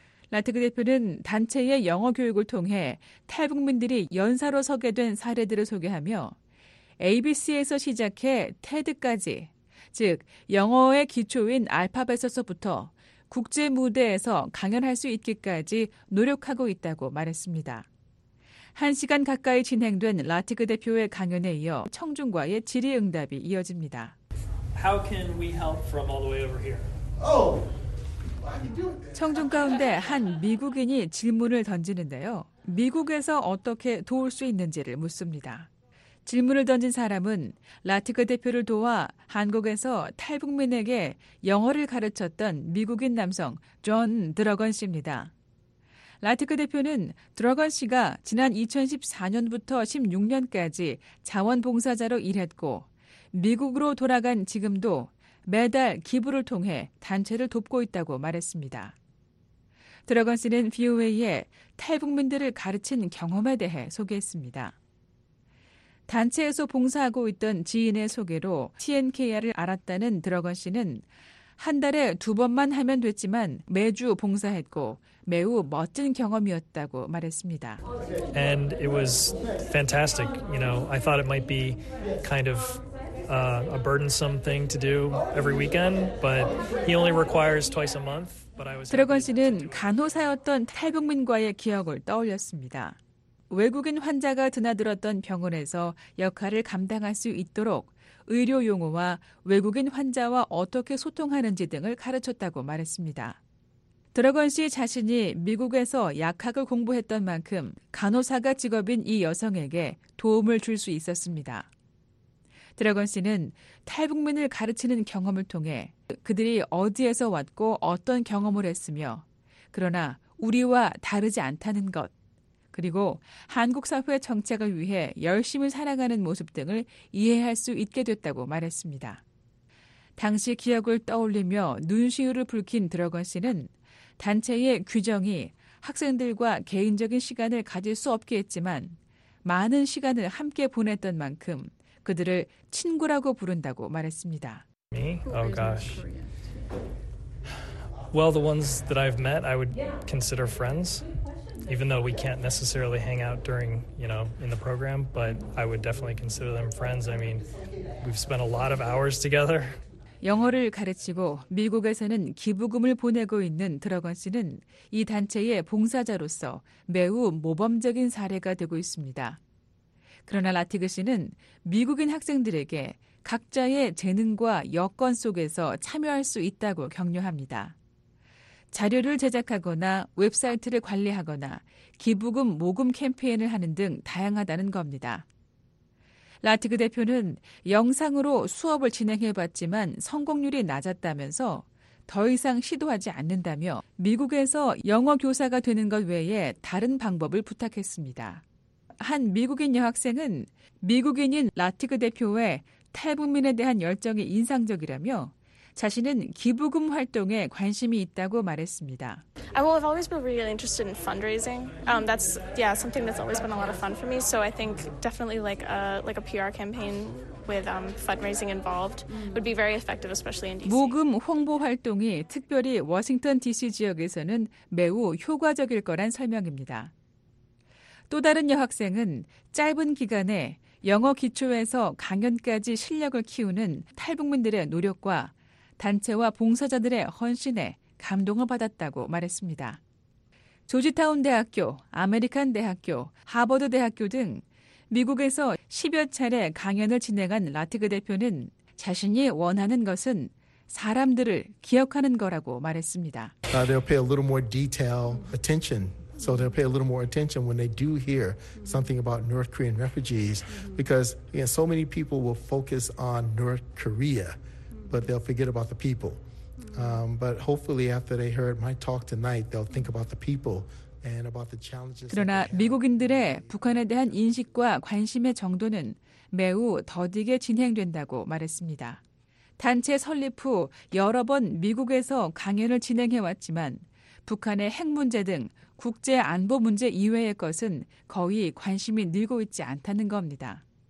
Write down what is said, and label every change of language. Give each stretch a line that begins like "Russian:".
Korean: 라티크 대표는 단체의 영어 교육을 통해 탈북민들이 연사로 서게 된 사례들을 소개하며 ABC에서 시작해 TED까지, 즉 영어의 기초인 알파벳에서부터 국제 무대에서 강연할 수 있기까지 노력하고 있다고 말했습니다. 1시간 가까이 진행된 라티크 대표의 강연에 이어 청중과의 질의응답이 이어집니다.
English: How can we help from all the way over here? Oh, I can do it.
Korean: 청중 가운데 한 미국인이 질문을 던지는데요. 미국에서 어떻게 도울 수 있는지를 묻습니다. 질문을 던진 사람은 라트그 대표를 도와 한국에서 탈북민에게 영어를 가르쳤던 미국인 남성 존 드러건 씨입니다. 라트그 대표는 드러건 씨가 지난 2014년부터 16년까지 자원봉사자로 일했고 미국으로 돌아간 지금도 매달 기부를 통해 단체를 돕고 있다고 말했습니다. 드러건 씨는 VOA에 탈북민들을 가르친 경험에 대해 소개했습니다. 단체에서 봉사하고 있던 지인의 소개로 TNKR을 알았다는 드러건 씨는 한 달에 두 번만 하면 됐지만 매주 봉사했고 매우 멋진 경험이었다고 말했습니다.
English: And it was fantastic. You know, I thought it might be kind of a burdensome thing to do every weekend, but he only requires twice a month.
Korean: 드러건 씨는 간호사였던 탈북민과의 기억을 떠올렸습니다. 외국인 환자가 드나들었던 병원에서 역할을 감당할 수 있도록 의료 용어와 외국인 환자와 어떻게 소통하는지 등을 가르쳤다고 말했습니다. 드러건 씨 자신이 미국에서 약학을 공부했던 만큼 간호사가 직업인 이 여성에게 도움을 줄 수 있었습니다. 드러건 씨는 탈북민을 가르치는 경험을 통해 그들이 어디에서 왔고 어떤 경험을 했으며 그러나 우리와 다르지 않다는 것, 그리고 한국 사회 정착을 위해 열심히 살아가는 모습 등을 이해할 수 있게 됐다고 말했습니다. 당시 기억을 떠올리며 눈시울을 붉힌 드러건 씨는 단체의 규정이 학생들과 개인적인 시간을 가질 수 없게 했지만 많은 시간을 함께 보냈던 만큼 그들을 친구라고 부른다고 말했습니다.
English: Me? Oh gosh. Well, the ones that I've met, I would consider friends. Even though we can't necessarily hang out during, you know, in the program, but I would definitely consider them friends. I mean, we've spent a lot of hours together.
Korean: 영어를 가르치고 미국에서는 기부금을 보내고 있는 드러건 씨는 이 단체의 봉사자로서 매우 모범적인 사례가 되고 있습니다. 그러나 라티그 씨는 미국인 학생들에게 각자의 재능과 여건 속에서 참여할 수 있다고 격려합니다. 자료를 제작하거나 웹사이트를 관리하거나 기부금 모금 캠페인을 하는 등 다양하다는 겁니다. 라티그 대표는 영상으로 수업을 진행해봤지만 성공률이 낮았다면서 더 이상 시도하지 않는다며 미국에서 영어 교사가 되는 것 외에 다른 방법을 부탁했습니다. 한 미국인 여학생은 미국인인 라티그 대표의 탈북민에 대한 열정이 인상적이라며 자신은 기부금 활동에 관심이 있다고 말했습니다.
English: I will have always been really interested in fundraising. That's yeah, something that's always been a lot of fun for me. So I think definitely like a PR campaign with fundraising involved would be very effective, especially in DC.
Korean: 모금 홍보 활동이 특별히 워싱턴 DC 지역에서는 매우 효과적일 거란 설명입니다. 또 다른 여학생은 짧은 기간에 영어 기초에서 강연까지 실력을 키우는 탈북민들의 노력과 단체와 봉사자들의 헌신에 감동을 받았다고 말했습니다. 조지타운 대학교, 아메리칸 대학교, 하버드 대학교 등 미국에서 10여 차례 강연을 진행한 라티그 대표는 자신이 원하는 것은 사람들을 기억하는 거라고 말했습니다.
English: They'll pay a little more detail attention. So they'll pay a little more attention when they do hear something about North Korean refugees because you know, so many people will focus on North Korea. But they'll forget about the people. But hopefully after they heard my talk tonight, they'll think about the people and about the challenges.
Korean: 그러나 미국인들의 북한에 대한 인식과 관심의 정도는 매우 더디게 진행된다고 말했습니다. 단체 설립 후 여러 번 미국에서 강연을 진행해 왔지만 북한의 핵 문제 등 국제 안보 문제 이외의 것은 거의 관심이 늘고 있지 않다는 겁니다.